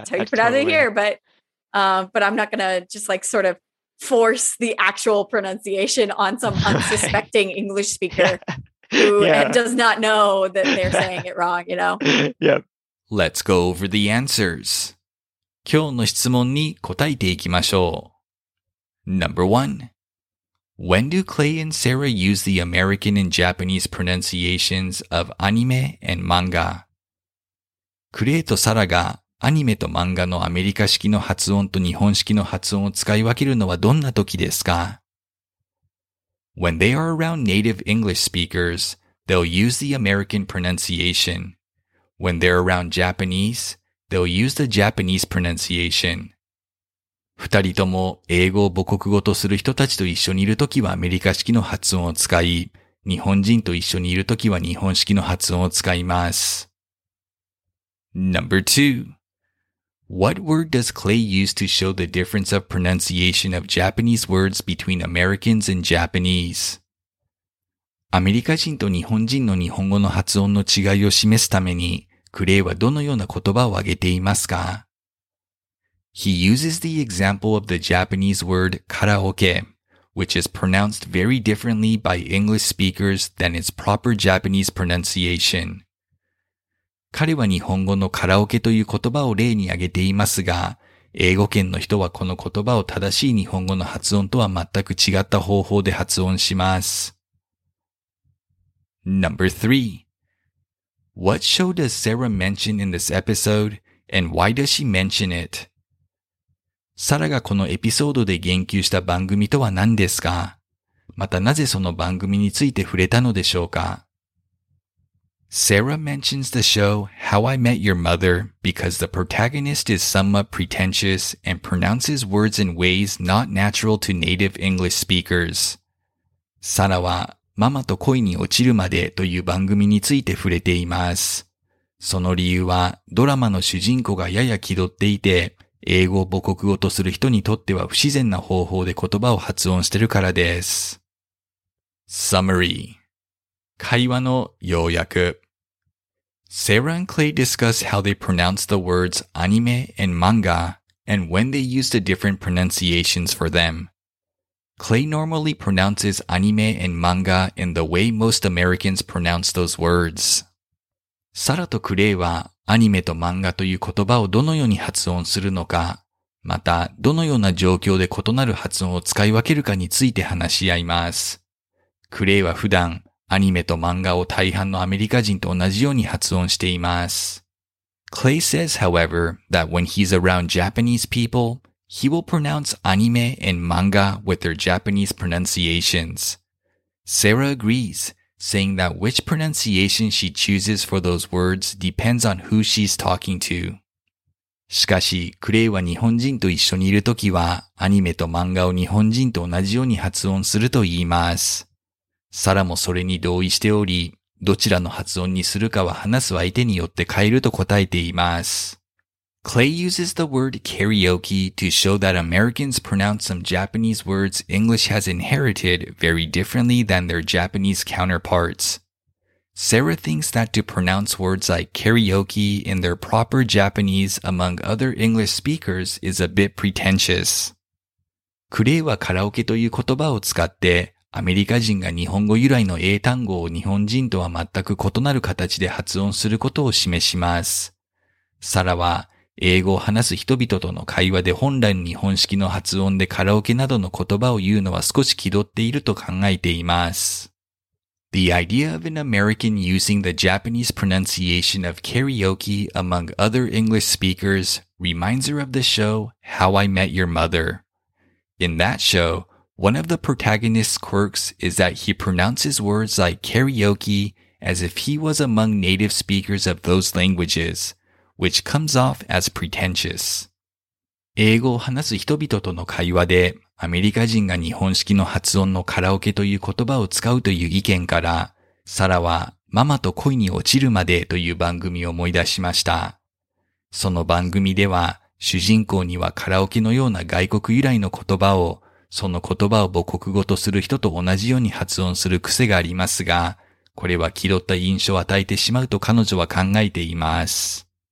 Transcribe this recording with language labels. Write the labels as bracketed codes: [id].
[en] that's how you pronounce it here. But I'm not gonna just like sort of force the actual pronunciation on some unsuspecting English speaker. Who does not know that they're saying it wrong, you know? Yep. Let's go over the answers. [ja] 今日の質問に答えていきましょう。 [en] Number one. When do Clay and Sarah use the American and Japanese pronunciations of anime and manga? [ja] クレイとサラがアニメと漫画のアメリカ式の発音と日本式の発音を使い分けるのはどんな時ですか？ [en] When they are around native English speakers, they'll use the American pronunciation. When they're around Japanese, they'll use the Japanese pronunciation. [ja] 二人とも英語を母国語とする人たちと一緒にいるときはアメリカ式の発音を使い、日本人と一緒にいるときは日本式の発音を使います。 [en] Number two. What word does Clay use to show the difference of pronunciation of Japanese words between Americans and Japanese? [ja] アメリカ人と日本人の日本語の発音の違いを示すために、クレイはどのような言葉を挙げていますか? [en] He uses the example of the Japanese word karaoke, which is pronounced very differently by English speakers than its proper Japanese pronunciation. [ja] 彼は日本語のカラオケという言葉を例に挙げていますが、英語圏の人はこの言葉を正しい日本語の発音とは全く違った方法で発音します。 [en] Number three. What show does Sarah mention in this episode, and why does she mention it? [ja] サラがこのエピソードで言及した番組とは何ですか? またなぜその番組について触れたのでしょうか? [en] Sarah mentions the show How I Met Your Mother because the protagonist is somewhat pretentious and pronounces words in ways not natural to native English speakers. [ja] サラはママと恋に落ちるまでという番組について触れています。その理由はドラマの主人公がやや気取っていて、英語を母国語とする人にとっては不自然な方法で言葉を発音してるからです。 [en] Summary [ja] 会話の要約。 [en] Sarah and Clay discuss how they pronounce the words anime and manga and when they use the different pronunciations for them. Clay normally pronounces anime and manga in the way most Americans pronounce those words. [ja] サラとクレイはアニメと漫画という言葉をどのように発音するのか、またどのような状況で異なる発音を使い分けるかについて話し合います。クレイは普段、アニメと漫画を大半のアメリカ人と同じように発音しています。 [en] Clay says, however, that when he's around Japanese people, he will pronounce anime and manga with their Japanese pronunciations. Sarah agrees, saying that which pronunciation she chooses for those words depends on who she's talking to. [ja] しかし、クレイは日本人と一緒にいるときは、アニメと漫画を日本人と同じように発音すると言います。サラもそれに同意しており、どちらの発音にするかは話す相手によって変えると答えています。 [en] Clay uses the word karaoke to show that Americans pronounce some Japanese words English has inherited very differently than their Japanese counterparts. Sarah thinks that to pronounce words like karaoke in their proper Japanese among other English speakers is a bit pretentious. [ja] クレイはカラオケという言葉を使って、アメリカ人が日本語由来の英単語を日本人とは全く異なる形で発音することを示します。サラは英語を話す人々との会話で本来の日本式の発音でカラオケなどの言葉を言うのは少し気取っていると考えています。 [en] The idea of an American using the Japanese pronunciation of karaoke among other English speakers reminds her of the show How I Met Your Mother. In that show, one of the protagonist's quirks is that he pronounces words like karaoke as if he was among native speakers of those languages, which comes off as pretentious. [ja] 英語を話す人々との会話で、アメリカ人が日本式の発音のカラオケという言葉を使うという意見から、サラはママと恋に落ちるまでという番組を思い出しました。その番組では、主人公にはカラオケのような外国由来の言葉を、その言葉を母国語とする人と同じように発音する癖がありますが、これは気取った印象を与えてしまうと彼女は考えています。